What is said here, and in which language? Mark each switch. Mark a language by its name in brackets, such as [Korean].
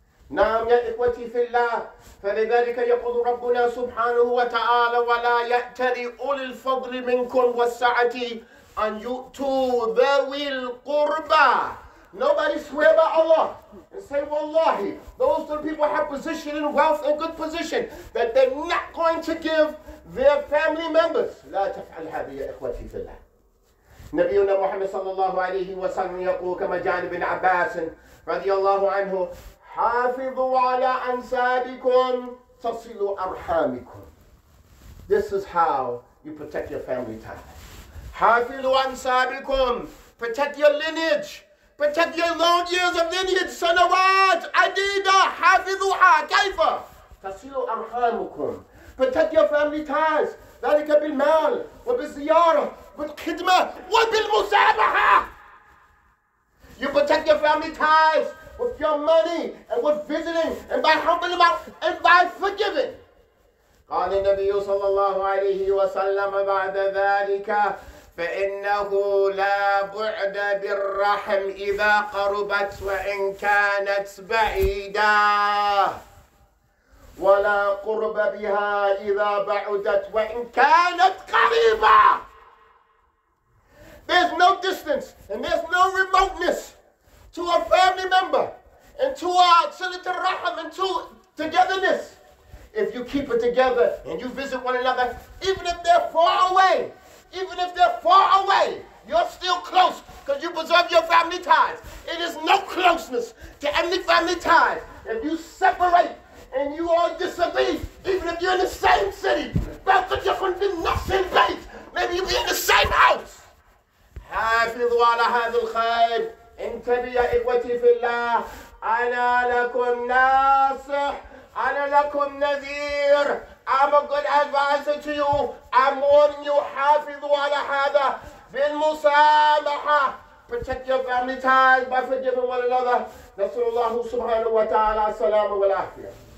[Arabic] نعم يا إخوتي في الله. فلذلك يقول ربنا سبحانه وتعالى ولا يأتر أولي الفضل منكم والسعة أن يؤتوا ذوي القربى. [English] Nobody swear by Allah and say, wallahi, those two people have position and wealth and good position, that they're not going to give their family members. [Arabic] لا تفعل هذا يا إخوتي في الله. نبينا محمد صلى الله عليه وسلم يقول كما جاء ابن عباس رضي الله عنه, حافظوا على أنسابكم تصلوا أرحامكم. [English] This is how you protect your family ties. [Arabic] حافظوا أنسابكم. [English] Protect your lineage. Protect your long years of lineage. [Arabic] سنوات عديدة. حافظوها. كيف؟ تصلوا أرحامكم. [English] Protect your family ties. [Arabic] ذلك بالمال وبالزيارة وبالخدمة وبالمسامحة. [English] You protect your family ties with your money and with visiting and by humbling them out and by forgiving. [Arabic] قال النبي صلى الله عليه وسلم بعد ذلك فإنه لا بعد بالرحم إذا قربت وإن كانت بعيدة ولا قرب بها إذا بعدت وإن كانت قريبة. [English] There's no distance and there's no remoteness to a family member and to our salat al-rahm and to togetherness. If you keep it together and you visit one another, even if they're far away, you're still close because you preserve your family ties. It is no closeness to any family ties. If you separate and you are disobedient, even if you're in the same city, about the difference in nothing base, maybe you'll be in the same house. [Arabic] حافظوا على هذا الخير. انتبه يا إخوتي في الله. أنا لكم ناصح. أنا لكم نذير. [English] I'm a good advisor to you. I'm warning you. [Arabic] حافظوا على هذا بالمسامحة. [English] Protect your family ties by forgiving one another. [Arabic] نسأل الله سبحانه وتعالى السلام والعافية.